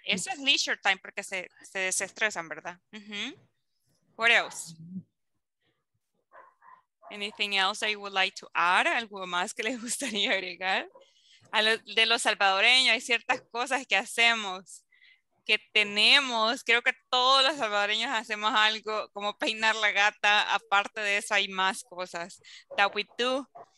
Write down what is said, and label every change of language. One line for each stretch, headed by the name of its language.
Spanish: Eso es leisure time porque se desestresan, ¿verdad?
English: Uh-huh. What else? Anything else that you would like to add?
Spanish: ¿Algo más que les gustaría agregar? De los salvadoreños hay ciertas cosas que hacemos. Que tenemos, creo que todos los salvadoreños hacemos algo como peinar la gata. Aparte de eso, hay más cosas
English: that we do.